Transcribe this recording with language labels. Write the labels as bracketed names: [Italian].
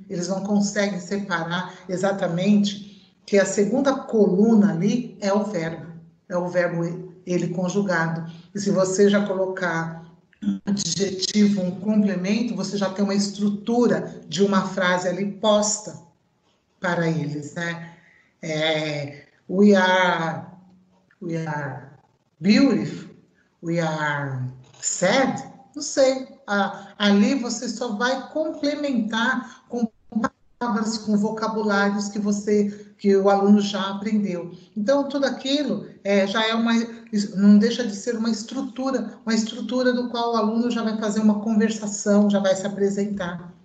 [Portuguese] Eles não conseguem separar exatamente que a segunda coluna ali é o verbo. É o verbo ele conjugado. E se você já colocar um adjetivo, um complemento, você já tem uma estrutura de uma frase ali posta. para eles, né? [English] É, we are beautiful, we are sad. [Portuguese] Não sei. Ali você só vai complementar com palavras, com vocabulários que que o aluno já aprendeu. Então, tudo aquilo já é uma, não deixa de ser uma estrutura do qual o aluno já vai fazer uma conversação, já vai se apresentar.